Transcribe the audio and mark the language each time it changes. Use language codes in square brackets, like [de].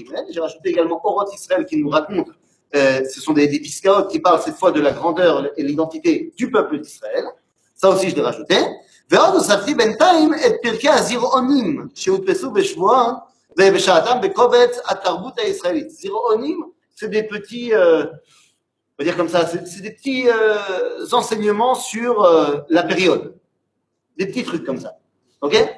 [fr] J'ai rajouté également Orot Israël qui nous raconte ce sont des piscaotes qui parlent cette fois de la grandeur et l'identité du peuple d'Israël. Ça aussi, je l'ai rajouté. [he] ועוד הוספתי בינתיים את פרקי הזירעונים שהודפסו בשבוע ובשעתם בקובץ התרבות הישראלית. [fr] זירעונים, c'est des petits, on va dire comme ça, c'est des petits enseignements sur la période. Des petits trucs comme ça. OK?